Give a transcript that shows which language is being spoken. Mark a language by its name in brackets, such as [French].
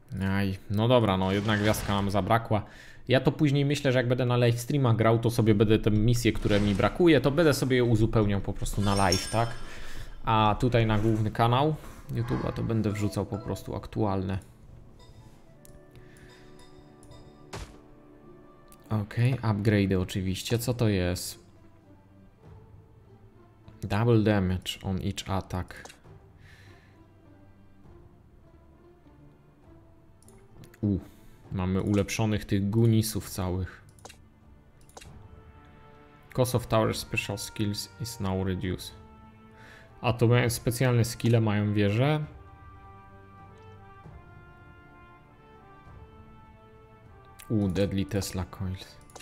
[Polish] Aj, no dobra, no jednak gwiazdka nam zabrakła. Ja to później myślę, że jak będę na live streamach grał, to sobie będę te misje, które mi brakuje, to będę sobie je uzupełniał po prostu na live, tak? A tutaj na główny kanał YouTube'a to będę wrzucał po prostu aktualne. Okej, okay, upgrade oczywiście. Co to jest? [English] Double damage on each attack. [Polish] Mamy ulepszonych tych gunisów całych. [English] Cost of tower special skills is now reduced. [Polish] A to mają specjalne skille, mają wieże. [English] Deadly Tesla Coils.